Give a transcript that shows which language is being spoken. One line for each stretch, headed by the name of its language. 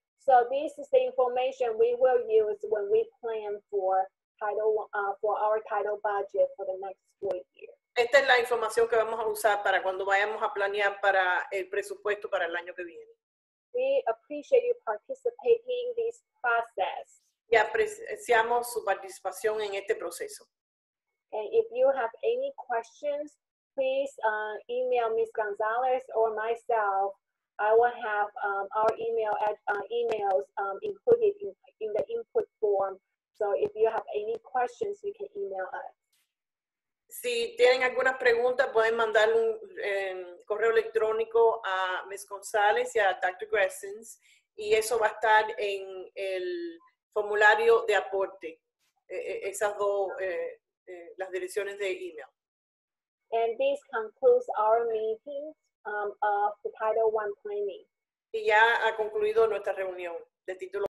English: So this is the information we will use when we plan for our title budget for the next school year.
Spanish: Esta es la información que vamos a usar para cuando vayamos a planear para el presupuesto para el año que viene.
English: We appreciate you participating in this process.
Spanish: Y apreciamos su participación en este proceso.
English: And if you have any questions, please email Ms. Gonzalez or myself. I will have our emails included in the input form. So if you have any questions, you can email us.
Spanish: Si tienen alguna pregunta, pueden mandar un correo electrónico a Ms. Gonzalez y a Dr. Gressens, y eso va a estar en el formulario de aporte. Esas dos, las direcciones de email.
English: And this concludes our meeting of the Title I planning.
Spanish: Y ya ha concluido nuestra reunión de título.